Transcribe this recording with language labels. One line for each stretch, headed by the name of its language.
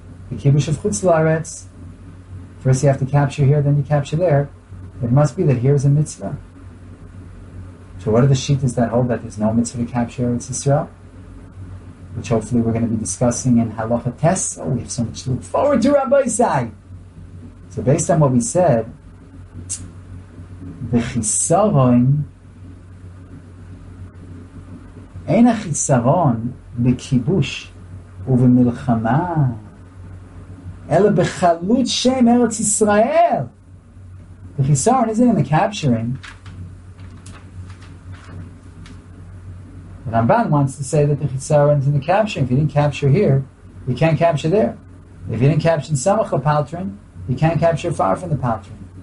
English: The kibush of chutz la'aretz, first you have to capture here, then you capture there. It must be that here is a mitzvah. So what are the shittas that hold that there's no mitzvah to capture Eretz Yisrael? Which hopefully we're going to be discussing in Halacha Tes. Oh, we have so much to look forward to, Rabbi Yisai. So based on what we said, the chisaron,
Hebrew: אין החיסרון בכיבוש ובמלחמה, אלא בחלות שם ארץ ישראל.
English: The chisaron isn't in the capturing. Ramban wants to say that the chisaron is in the capturing. If you didn't capture here, you can't capture there. If you didn't capture in Samach Lepaltrin, you can't capture far from the Paltrin.